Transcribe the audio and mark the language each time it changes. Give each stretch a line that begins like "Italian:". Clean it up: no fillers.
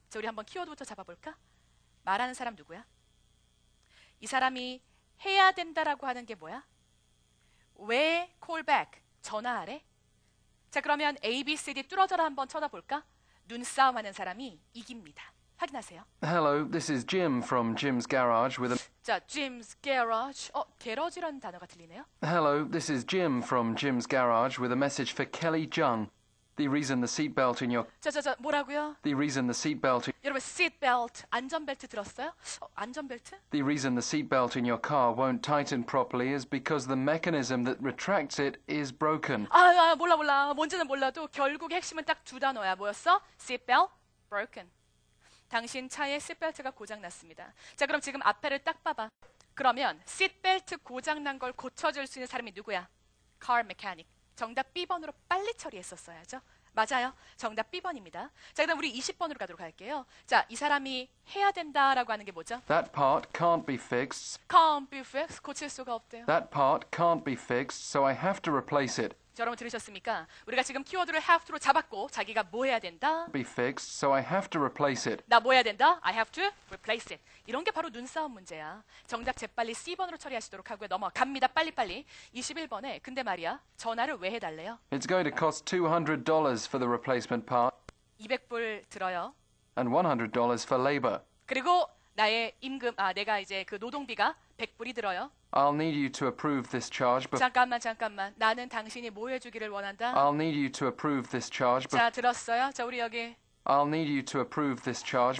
Korean: 자, 우리 한번 키워드부터 잡아볼까? 말하는 사람 누구야? 이 사람이 해야 된다라고 하는 게 뭐야? 왜 콜백? 전화하래? 자, 그러면 A, B, C, D 뚫어져라 한번 쳐다볼까? 눈싸움하는 사람이 이깁니다. 확인하세요.
English: Hello, this is Jim from Jim's Garage with a...
Korean: 자, Jim's Garage. 어, 게러지라는 단어가 들리네요.
English: Hello, this is Jim from Jim's Garage with a message for Kelly Jung. The reason the seatbelt in your...
Korean: 자, 뭐라고요?
English: The reason the seatbelt...
Korean: 여러분, seatbelt, 안전벨트 들었어요? 어, 안전벨트?
English: The reason the seatbelt in your car won't tighten properly is because the mechanism that retracts it is broken.
Korean: 아, 몰라. 뭔지는 몰라도 결국 핵심은 딱 두 단어야. 뭐였어? Seatbelt, broken. 당신 차의 시트벨트가 고장났습니다. 자, 그럼 지금 앞에를 딱 봐봐. 그러면 시트벨트 고장난 걸 고쳐줄 수 있는 사람이 누구야?
English: Car mechanic.
Korean: 정답 B번으로 빨리 처리했었어야죠. 맞아요. 정답 B번입니다. 자, 그럼 우리 20번으로 가도록 할게요. 자, 이 사람이 해야 된다라고 하는 게 뭐죠?
English: That part can't be fixed. Can't be fixed.
Korean: 고칠 수가 없대요.
English: That part can't be fixed, so I have to replace it.
Korean: 자, 여러분 들으셨습니까? 우리가 지금 키워드를 have to로 잡았고 자기가 뭐 해야 된다?
English: Be fixed, so I have to replace it.
Korean: 나 뭐 해야 된다?
English: I have to replace it.
Korean: 이런 게 바로 눈싸움 문제야. 정답 재빨리 C번으로 처리하시도록 하고요. 넘어갑니다. 빨리빨리. 21번에 근데 말이야, 전화를 왜 해달래요?
English: It's going to cost $200 for the replacement part.
Korean: 200불 들어요.
English: And $100 for labor.
Korean: 그리고 나의 임금, 아, 내가 이제 그 노동비가 100불이 들어요.
English: I'll need you to approve this charge. But
Korean: 잠깐만. 나는 당신이 뭐 해주기를 원한다.
English: I'll need you to approve this charge.
Korean: But 자, 들었어요? 자, 우리 여기.
English: I'll need you to approve this charge.